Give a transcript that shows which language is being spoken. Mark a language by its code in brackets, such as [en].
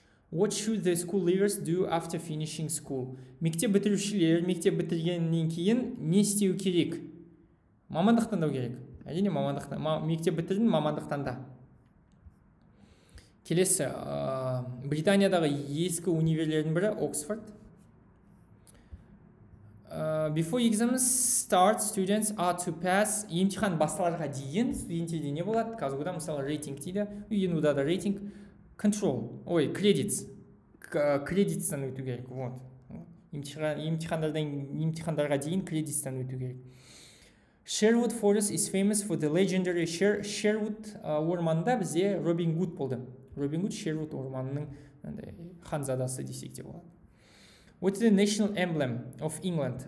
[en] What should the school leavers do after finishing school? [kk] Мектеп бітіргеннен кейін не істеу керек? Мамандық таңдау керек. Әрине, мектеп бітірдің мамандық таңда. Келесі, Британиядағы ескі универлердің бірі Оксфорд. [en] Before exams start, students are to pass. [kk] Емтихан басталарға дейін студенттерде не болады? Қазгуда мысалы рейтинг дейді. Енуда да рейтинг. Control. Ой, credits. Credits-тан өту керек. Вот. Емтихандарға дейін credits-тан өту керек. [en] Sherwood Forest is famous for the legendary Sherwood [kk] орманында бізде Робин Гуд болды. Робин Гуд Шервуд орманының ханзадасы десек те болады. [en] What is the national emblem of England?